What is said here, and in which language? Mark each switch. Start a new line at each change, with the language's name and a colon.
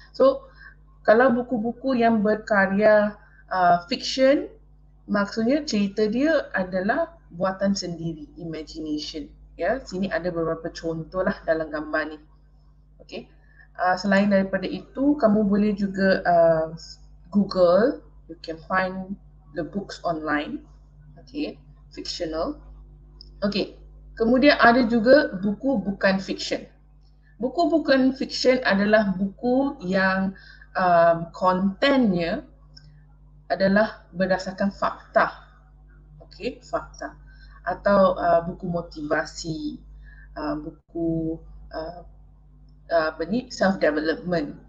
Malay: So, kalau buku-buku yang berkarya fiction, maksudnya cerita dia adalah buatan sendiri, imagination. Ya, sini ada beberapa contoh lah dalam gambar ni. Okey. Selain daripada itu, kamu boleh juga Google
English: you can find the books online, okay, fictional.
Malay: Okay, kemudian ada juga buku bukan fiction. Buku bukan fiction adalah buku yang kontennya adalah berdasarkan fakta, okay, fakta, atau buku motivasi, buku apa ni, self development, ya.